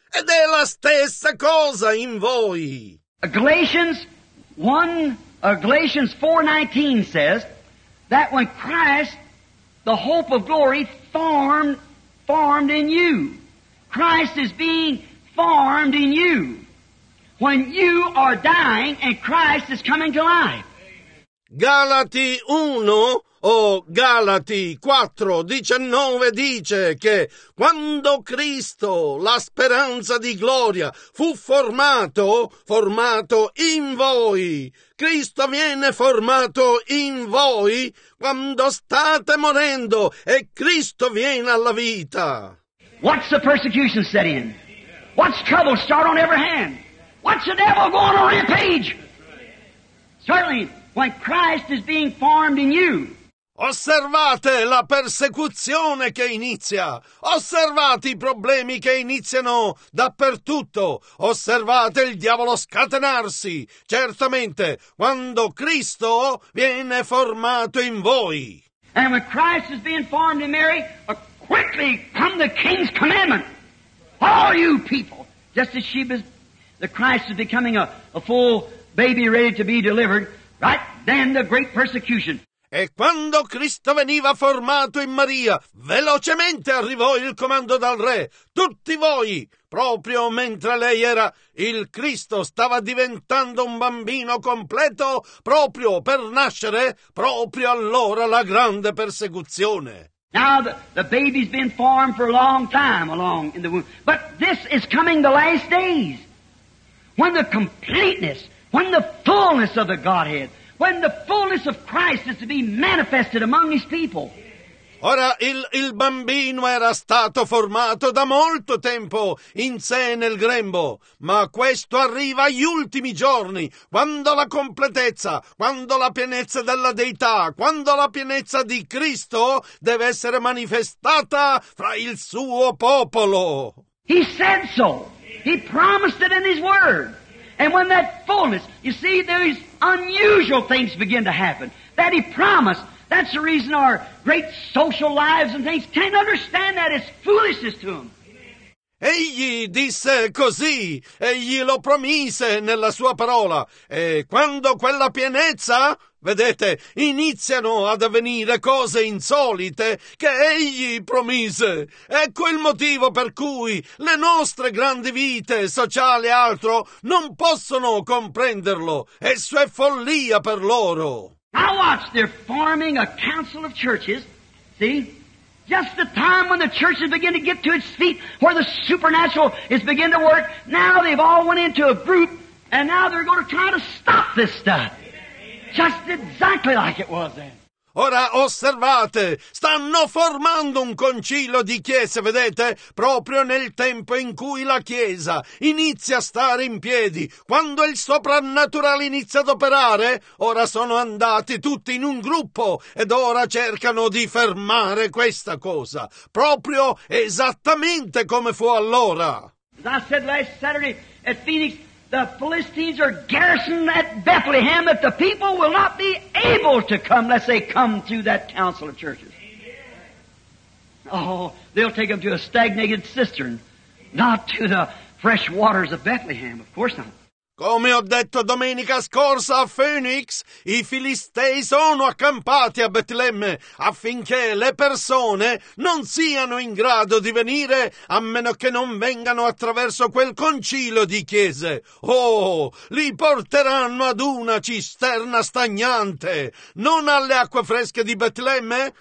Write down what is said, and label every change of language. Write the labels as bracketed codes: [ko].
[it] Ed è la stessa cosa in voi. [en] Galatians 4:19 says that when Christ, the hope of glory, formed in you. Christ is being formed in you. When you are dying and Christ is coming to life. [it] Galati 1 o Galati 4:19 dice che quando Cristo, la speranza di gloria, fu formato in voi. Cristo viene formato in voi quando state morendo e Cristo viene alla vita. [en] What's the persecution set in? What's trouble start on every hand? What's the devil going on a rampage? Certainly, when Christ is being formed in you. [it] Osservate la persecuzione che inizia. Osservate i problemi che iniziano dappertutto. Osservate il diavolo scatenarsi. Certamente, quando Cristo viene formato in voi. [en] And when Christ is being formed in Mary, quickly come the King's commandment. All you people, just as the Christ is becoming a full baby ready to be delivered, right then the great persecution. [it] E quando Cristo veniva formato in Maria, velocemente arrivò il comando dal re. Tutti voi, proprio mentre lei era il Cristo, stava diventando un bambino completo, proprio per nascere, proprio allora la grande persecuzione. [en] Now the baby's been formed for a long time along in the womb. But this is coming the last days. When the completeness, when the fullness of the Godhead, when the fullness of Christ is to be manifested among his people. [it] Ora, il bambino era stato formato da molto tempo in sé nel grembo, ma questo arriva agli ultimi giorni, quando la completezza, quando la pienezza della Deità, quando la pienezza di Cristo deve essere manifestata fra il suo popolo. [en] He said so. He promised it in his word. And when that fullness, you see, these unusual things begin to happen that he promised. That's the reason our great social lives and things can't understand that. It's foolishness to them. [it] Egli disse così, egli lo promise nella sua parola. E quando quella pienezza, vedete, iniziano ad avvenire cose insolite che egli promise. Ecco il motivo per cui le nostre grandi vite, sociali e altro, non possono comprenderlo. Esso è follia per loro. [en] I watch, they're forming a council of churches, see? Just the time when the church is beginning to get to its feet, where the supernatural is beginning to work, now they've all went into a group, and now they're going to try to stop this stuff. Amen. Just exactly like it was then. [it] Ora osservate, stanno formando un concilio di chiese, vedete? Proprio nel tempo in cui la chiesa inizia a stare in piedi, quando il soprannaturale inizia ad operare, ora sono andati tutti in un gruppo ed ora cercano di fermare questa cosa, proprio esattamente come fu allora. [en] As I said last Saturday at Phoenix, the Philistines are garrisoned at Bethlehem, that the people will not be able to come unless they come through that council of churches. Oh, they'll take them to a stagnated cistern, not to the fresh waters of Bethlehem, of course not. [it] Come ho detto domenica scorsa a Phoenix, i Filistei sono accampati a Betlemme affinché le persone non siano in grado di venire a meno che non vengano attraverso quel concilio di chiese. Oh, li porteranno ad una cisterna stagnante, non alle acque fresche di Betlemme?